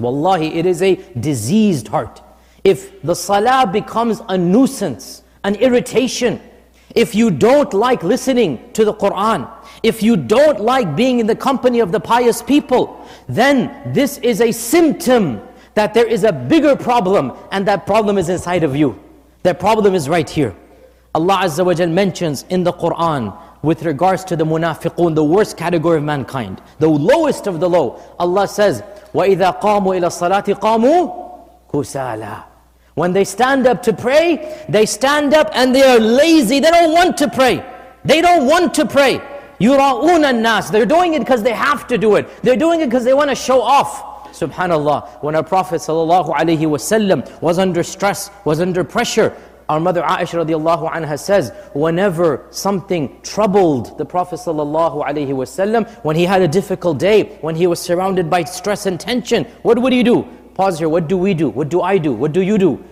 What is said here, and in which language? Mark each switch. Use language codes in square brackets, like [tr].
[en] Wallahi, it is a diseased heart. If the salah becomes a nuisance, an irritation, if you don't like listening to the Quran, if you don't like being in the company of the pious people, then this is a symptom that there is a bigger problem, and that problem is inside of you. That problem is right here. Allah Azza wa Jal mentions in the Quran with regards to the munafiqun, the worst category of mankind, the lowest of the low. [ar] Allah says, وَإِذَا قَامُوا إِلَى الصَّلَاةِ قَامُوا كُسَالَى. [en] When they stand up to pray, they stand up and they are lazy. They don't want to pray. They don't want to pray. يُرَاؤُونَ النَّاسِ. They're doing it because they have to do it. They're doing it because they want to show off. Subhanallah, when our Prophet sallallahu alayhi wasallam was under stress, was under pressure, our mother Aisha radiallahu anha says, whenever something troubled the Prophet sallallahu alayhi wasallam, when he had a difficult day, when he was surrounded by stress and tension, what would he do? Pause here, what do we do? What do I do? What do you do?